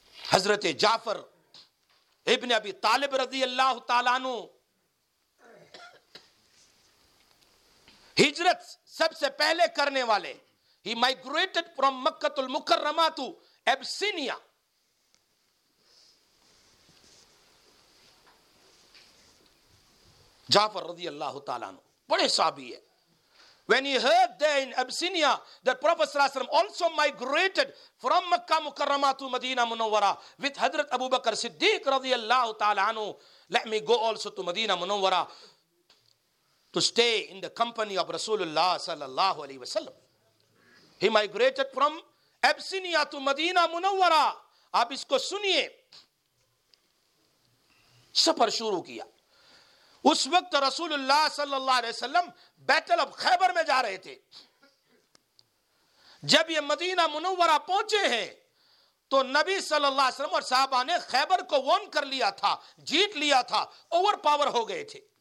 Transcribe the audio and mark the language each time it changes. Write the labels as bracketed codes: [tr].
[ur] حضرت جعفر ابن ابی طالب رضی اللہ تعالیٰ عنہ ہجرت سب سے پہلے کرنے والے. [en] He migrated from Makkah al-Mukarramah to Abyssinia. [ur] جعفر رضی اللہ تعالیٰ عنہ بڑے صحابی ہے. [en] When he heard there in Abyssinia that Prophet ﷺ also migrated from Makkah Mukarramah to Medina Munawwara with Hadrat Abu Bakr Siddiq radiyallahu ta'ala anhu, let me go also to Medina Munawwara to stay in the company of Rasulullah sallallahu alayhi wa sallam. He migrated from [ur] ابسینیا تو مدینہ منورہ، آپ اس کو سنیے، سفر شروع کیا. اس وقت رسول اللہ صلی اللہ علیہ وسلم بیٹل اب خیبر میں جا رہے تھے. جب یہ مدینہ منورہ پہنچے ہیں تو نبی صلی اللہ علیہ وسلم اور صحابہ نے خیبر کو وون کر لیا تھا، جیت لیا تھا، اوور پاور ہو گئے تھے.